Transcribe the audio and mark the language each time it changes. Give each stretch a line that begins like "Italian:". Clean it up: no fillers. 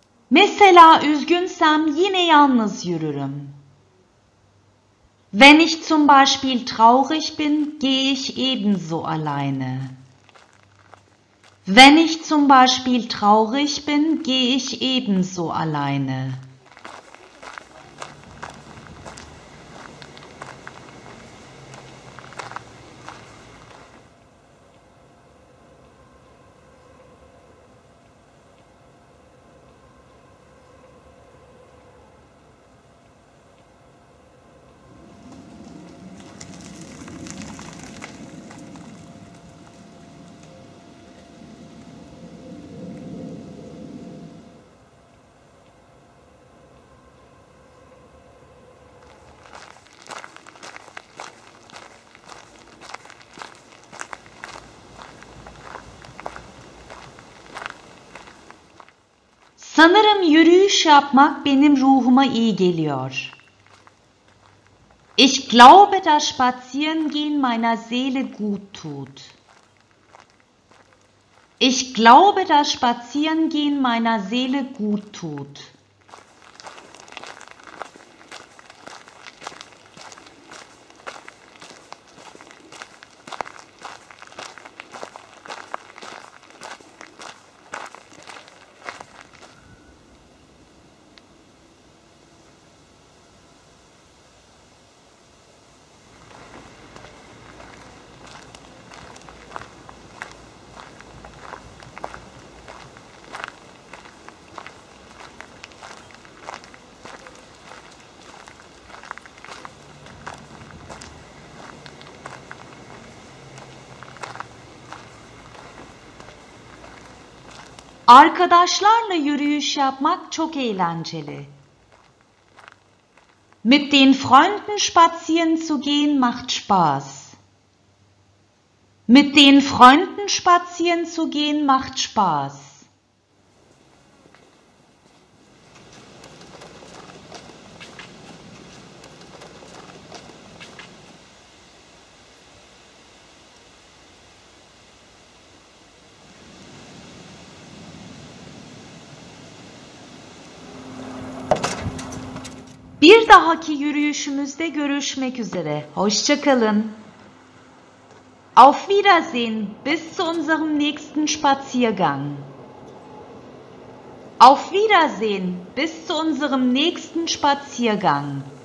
Turkish: Mesela üzgünsem yine yalnız yürürüm.
German: Wenn ich zum Beispiel traurig bin, gehe ich ebenso alleine. Wenn ich zum Beispiel traurig bin, gehe ich ebenso alleine.
Turkish: Sanırım yürüyüş yapmak benim ruhuma iyi geliyor.
German: Ich glaube, das Spazierengehen meiner Seele gut tut. Ich glaube, das Spazierengehen meiner Seele gut tut.
Turkish: Arkadaşlarla yürüyüş yapmak çok eğlenceli.
German: Mit den Freunden spazieren zu gehen macht Spaß. Mit den Freunden spazieren zu gehen macht Spaß.
Turkish: Bir dahaki yürüyüşümüzde görüşmek üzere. Hoşça kalın.
German: Auf Wiedersehen bis zu unserem nächsten Spaziergang. Auf Wiedersehen bis zu unserem nächsten Spaziergang.